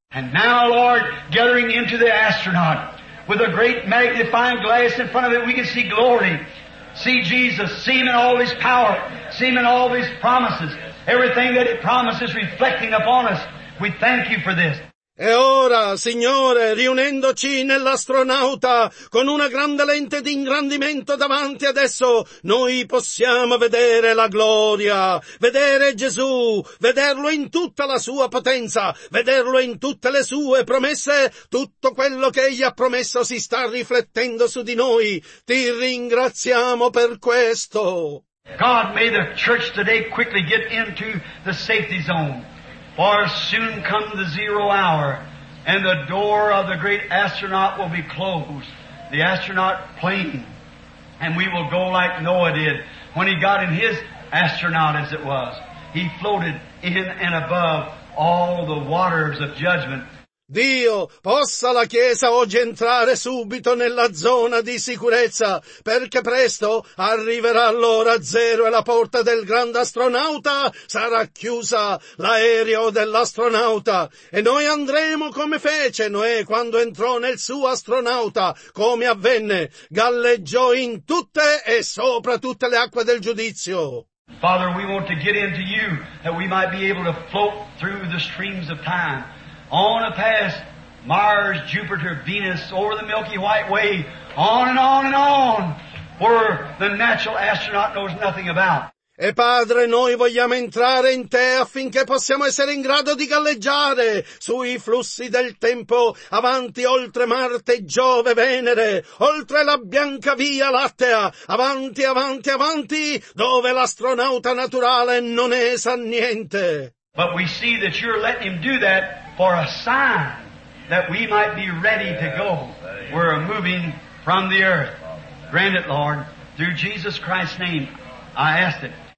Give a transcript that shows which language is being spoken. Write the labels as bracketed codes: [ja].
[en] And now, Lord, gathering into the astronaut. With a great magnifying glass in front of it, we can see glory, see Jesus, see Him in all His power, see Him in all His promises. Everything that He promises reflecting upon us. We thank You for this. [it] E ora, Signore, riunendoci nell'astronauta, con una grande lente di ingrandimento davanti adesso, noi possiamo vedere la gloria, vedere Gesù, vederlo in tutta la sua potenza, vederlo in tutte le sue promesse, tutto quello che Egli ha promesso si sta riflettendo su di noi. Ti ringraziamo per questo. [en] God, may the church today quickly get into the safety zone. For soon come the zero hour, and the door of the great astronaut will be closed, the astronaut plane, and we will go like Noah did when he got in his astronaut, as it was. He floated in and above all the waters of judgment. [it] Dio, possa la Chiesa oggi entrare subito nella zona di sicurezza, perché presto arriverà l'ora zero e la porta del grande astronauta sarà chiusa, l'aereo dell'astronauta, e noi andremo come fece Noè quando entrò nel suo astronauta, come avvenne, galleggiò in tutte e sopra tutte le acque del giudizio. [en] Father, we want to get into you that we might be able to float through the streams of time. On a pass, Mars, Jupiter, Venus, over the Milky White Way, on and on and on, where the natural astronaut knows nothing about. [it] E Padre, noi vogliamo entrare in Te affinché possiamo essere in grado di galleggiare sui flussi del tempo, avanti oltre Marte, Giove, Venere, oltre la bianca via Lattea, avanti, avanti, avanti, dove l'astronauta naturale non ne sa niente. [en] But we see that you're letting him do that for a sign that we might be ready to go. We're moving from the earth. Grant it, Lord, through Jesus Christ's name. I ask it.